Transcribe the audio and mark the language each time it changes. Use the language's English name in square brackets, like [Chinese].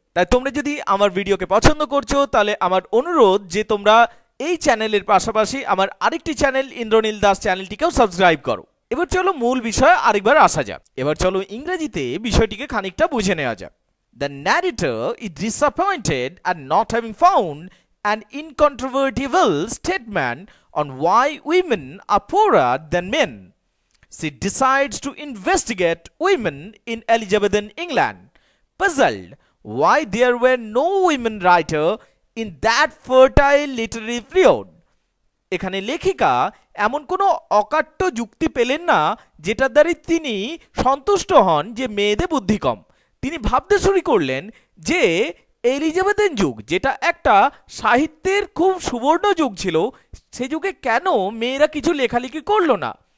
[Bangla] তাই তোমরা যদি আমার ভিডিওকে পছন্দ করছো, তাহলে আমার অনুরোধ যে তোমরা এই চ্যানেলের পাশাপাশি আমার আরেকটি চ্যানেল ইন্দ্রনীল দাস চ্যানেলটিকেও সাবস্ক্রাইব করো। এবার চলো মূল বিষয়ে আরেকবার আসা যাক। এবার চলো ইংরেজিতে বিষয়টিকে খানিকটা বুঝে নেওয়া যাক। [English] The narrator is disappointed at not having found an incontrovertible statement on why women are poorer than men. She decides to investigate women in Elizabethan England, puzzled why there were no women writer in that fertile literary period. [Bangla] এখানে লেখিকা এমন কোনো অকাট্য যুক্তি পেলেন না যেটার দ্বারা তিনি সন্তুষ্ট হন যে মেয়েদের বুদ্ধি কম। তিনি ভাবতে শুরু করলেন যে এলিজাবেথের যুগ, যেটা একটা সাহিত্যের খুব সুবর্ণ যুগ ছিল, সে যুগে কেন মেয়েরা কিছু লেখালেখি করলো না।